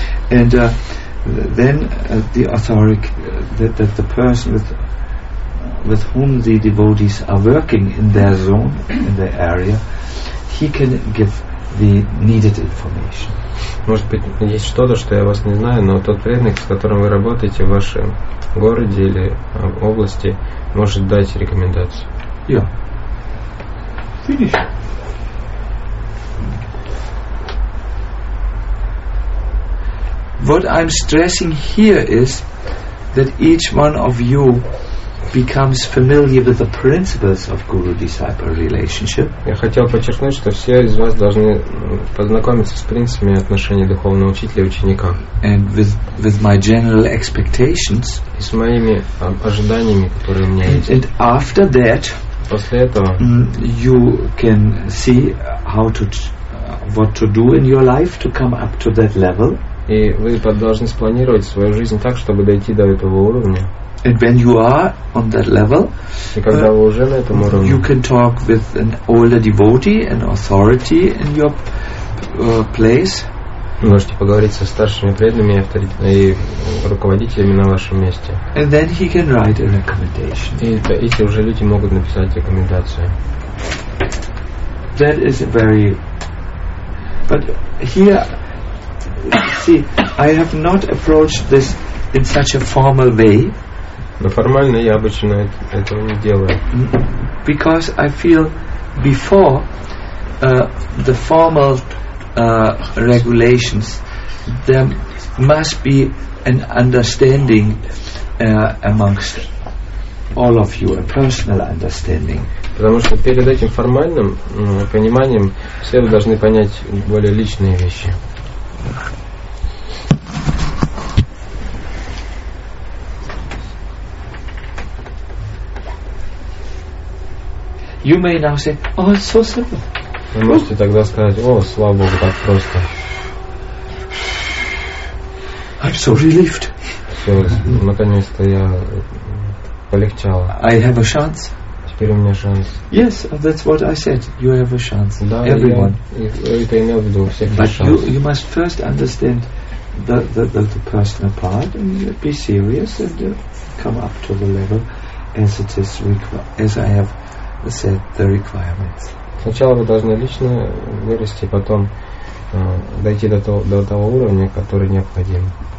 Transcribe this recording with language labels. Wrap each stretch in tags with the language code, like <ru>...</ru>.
<en>And then the authority that the person with whom the devotees are working in their zone, in their area, he can give the needed information.</en> <ru>Может быть, есть что-то, что я вас не знаю, но тот преданник, с которым вы работаете в вашем городе или в области, может дать рекомендацию. Я. Финиш.</ru> <en>What I'm stressing here is that each one of you becomes familiar with the principles of guru-disciple relationship.</en> <ru>Я хотел подчеркнуть, что все из вас должны познакомиться с принципами отношений духовного учителя и ученика.</ru> <en>And with my general expectations.</en> <ru>И с моими ожиданиями, которые у меня есть.</ru> <en>And after that.</en> <ru>После этого.</ru> <en>You can see how to what to do in your life to come up to that level.</en> <ru>И вы должны спланировать свою жизнь так, чтобы дойти до этого уровня.</ru> <en>And when you are on that level, you can talk with an older devotee, an authority in your place.</en> <ru>Можете поговорить со старшими преданными и руководителями на вашем месте.</ru> <en>And then he can write a recommendation.</en> <ru>И эти уже люди могут написать рекомендацию.</ru> <en>That is very. But here, see, I have not approached this in such a formal way.</en> <ru>Но формально я обычно этого не делаю.</ru> <en>Because I feel before the formal regulations there must be an understanding amongst all of you, a personal understanding.</en> <ru>Потому что перед этим формальным пониманием все вы должны понять более личные вещи.</ru> <en>You may now say, "Oh, it's so simple."</en> <ru>Вы можете тогда сказать, "О, слава богу, так просто."</ru> <en>I'm so relieved.</en> <ru>Все, наконец-то я полегчало.</ru> <en>I have a chance.</en> <ru>Теперь у меня шанс.</ru> <en>Yes, that's what I said. You have a chance.</en> <ru>Да,</ru> <en>everyone.</en> <ru>Это имел в виду, у всех есть шанс.</ru> <en>But you must first understand the personal part and be serious and come up to the level as it is required, as I have. Set the requirements.</en> <ru>Сначала вы должны лично вырасти, потом дойти до того уровня, который необходим.</ru>